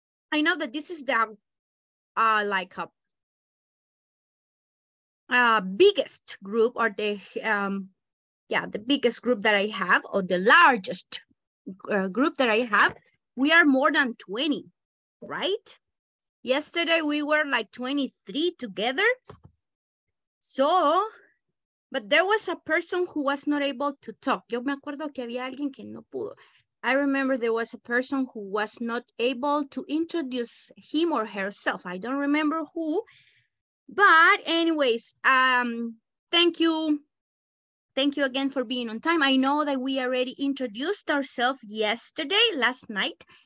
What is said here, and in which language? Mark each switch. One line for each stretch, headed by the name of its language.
English: I know that this is the biggest group or the the biggest group that I have or the largest group that I have. We are more than 20, right? Yesterday we were like 23 together. So, but there was a person who was not able to talk.
Spanish: Yo me acuerdo que había alguien que no pudo.
English: I remember there was a person who was not able to introduce him or herself. I don't remember who, but anyways, thank you. Thank you again for being on time. I know that we already introduced ourselves yesterday, last night.